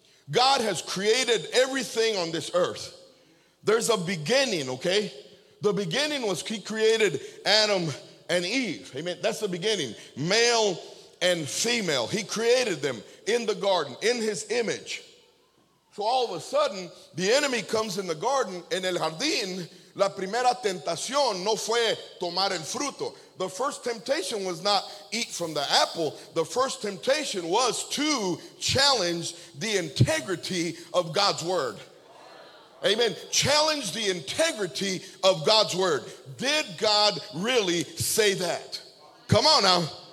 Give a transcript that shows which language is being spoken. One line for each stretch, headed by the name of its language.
English: God has created everything on this earth. There's a beginning, okay? The beginning was he created Adam and Eve. Amen. That's the beginning. Male and female. He created them in the garden, in his image. So all of a sudden, the enemy comes in the garden.
Spanish: En el jardín, la primera tentación no fue tomar el fruto.
English: The first temptation was not eat from the apple. The first temptation was to challenge the integrity of God's word. Amen. Challenge the integrity of God's word. Did God really say that? Come on now.